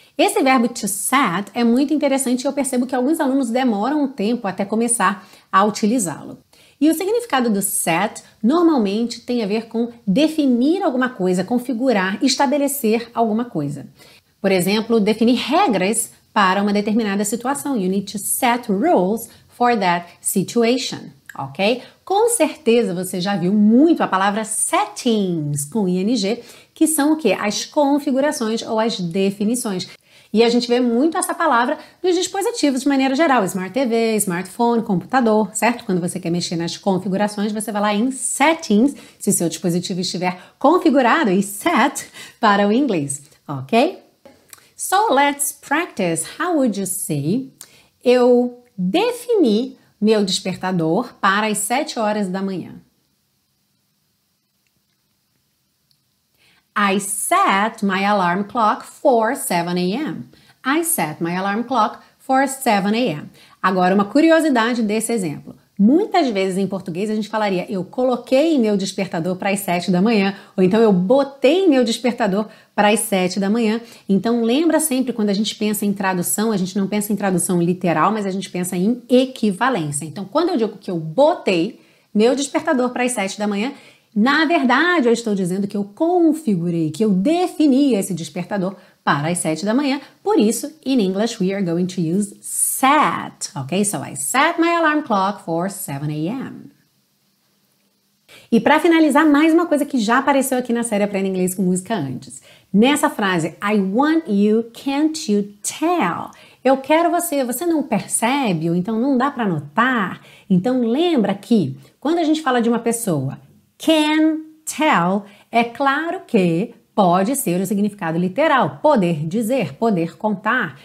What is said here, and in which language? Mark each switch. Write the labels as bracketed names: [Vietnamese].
[Portuguese] Esse verbo to set é muito interessante e eu percebo que alguns alunos demoram um tempo até começar a utilizá-lo. E o significado do set normalmente tem a ver com definir alguma coisa, configurar, estabelecer alguma coisa. Por exemplo, definir regras para uma determinada situação. [English] You need to set rules for that situation, ok? [Portuguese] Com certeza você já viu muito a palavra settings com ing, que são o quê? As configurações ou as definições. E a gente vê muito essa palavra nos dispositivos de maneira geral, smart TV, smartphone, computador, certo? Quando você quer mexer nas configurações, você vai lá em settings, se seu dispositivo estiver configurado, e set para o inglês, ok? [English] So let's practice. How would you say? [Portuguese] Eu defini meu despertador para as 7 horas da manhã. [English] I set my alarm clock for 7 a.m. I set my alarm clock for 7 a.m. [Portuguese] Agora, uma curiosidade desse exemplo. Muitas vezes em português a gente falaria eu coloquei meu despertador para as 7 da manhã, ou então eu botei meu despertador para as 7 da manhã. Então, lembra sempre quando a gente pensa em tradução, a gente não pensa em tradução literal, mas a gente pensa em equivalência. Então, quando eu digo que eu botei meu despertador para as 7 da manhã, na verdade, eu estou dizendo que eu configurei, que eu defini esse despertador para as 7 da manhã. Por isso, [English] in English, we are going to use set, ok? So, I set my alarm clock for 7 a.m. [Portuguese] E para finalizar, mais uma coisa que já apareceu aqui na série Aprenda Inglês com Música antes. Nessa frase, [English] I want you, can't you tell? [Portuguese] Eu quero você, você não percebe, ou então não dá para notar. Então lembra que quando a gente fala de uma pessoa, can tell, é claro que pode ser o significado literal, poder dizer, poder contar.